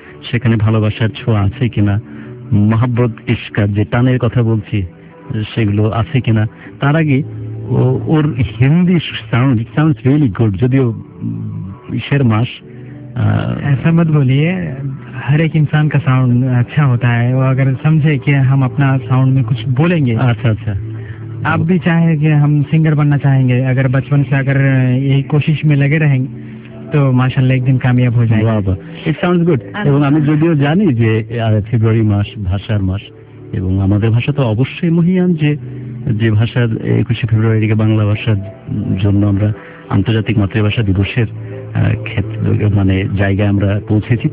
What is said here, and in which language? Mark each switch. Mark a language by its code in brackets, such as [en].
[bn] সেখানে ভালোবাসার ছোঁয়া আছে কিনা, মহাব্বত ইশকার যে টানের কথা বলছি সেগুলো আছে কিনা। তার আগে ওর Hindi sound, [en] it sounds really good, [bn] যদিও ইসের মাস [hi] ऐसा मत बोलिए, हर एक इंसान का साउंड अच्छा होता है, वो अगर समझे कि हम अपना साउंड में कुछ बोलेंगे। अच्छा अच्छा, आप भी चाहे कि हम सिंगर बनना चाहेंगे, अगर बचपन से अगर यही कोशिश में लगे रहेंगे [bn] তো মাশাআল্লাহ একদিন কামিয়াব হয়ে যায়। [en] বাবা, it sounds good. [bn] এবং আমি যদিও জানি যে ফেব্রুয়ারি মাস ভাষার মাস, এবং আমাদের ভাষা তো অবশ্যই মহিয়ান, যে যে ভাষার 21 ফেব্রুয়ারি বাংলা ভাষার জন্য আমরা আন্তর্জাতিক মাতৃভাষা দিবসের ক্ষেত্রে মানে জায়গায় আমরা পৌঁছেছি।